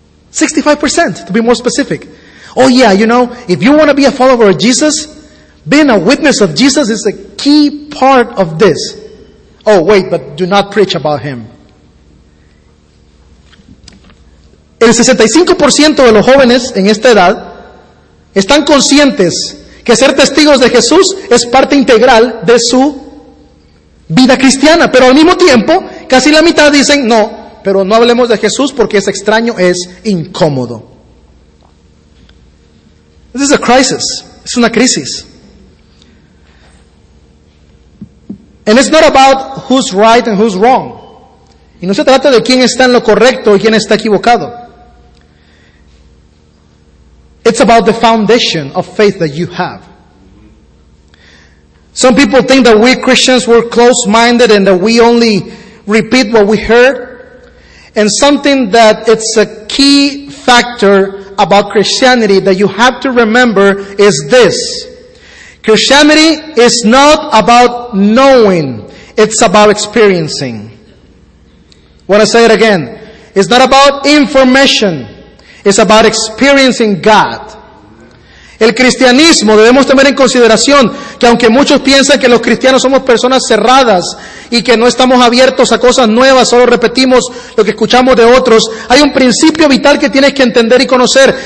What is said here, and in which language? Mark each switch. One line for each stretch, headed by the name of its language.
English: 65%, to be more specific. Oh yeah, you know, if you want to be a follower of Jesus, being a witness of Jesus is a key part of this. Oh wait, but do not preach about him.
Spanish: El 65% de los jóvenes en esta edad están conscientes que ser testigos de Jesús es parte integral de su vida cristiana, pero al mismo tiempo, casi la mitad dicen, no, pero no hablemos de Jesús porque es extraño, es incómodo. This is a crisis. Es una crisis.
English: And it's not about who's right and who's wrong.
Spanish: Y no se trata de quién está en lo correcto y quién está equivocado.
English: It's about the foundation of faith that you have. Some people think that we Christians were close-minded and that we only repeat what we heard. And something that it's a key factor about Christianity that you have to remember is this. Christianity is not about knowing. It's about experiencing. I want to say it again. It's not about information. It's about experiencing God.
Spanish: El cristianismo, debemos tener en consideración que aunque muchos piensan que los cristianos somos personas cerradas y que no estamos abiertos a cosas nuevas, solo repetimos lo que escuchamos de otros, hay un principio vital que tienes que entender y conocer.